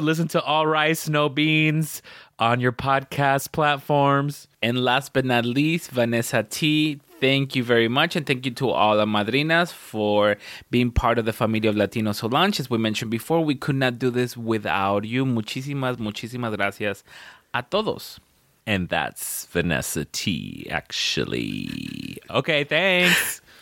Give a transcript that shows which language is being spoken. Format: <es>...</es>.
<en>Listen to All Rice, No Beans on your podcast platforms. And last but not least, Vanessa T, thank you very much. And thank you to all the madrinas for being part of the Familia of Latino Solange. As we mentioned before, we could not do this without you.</en> <es>Muchísimas, muchísimas gracias a todos.</es> <en>And that's Vanessa T, actually. Okay, thanks.</en>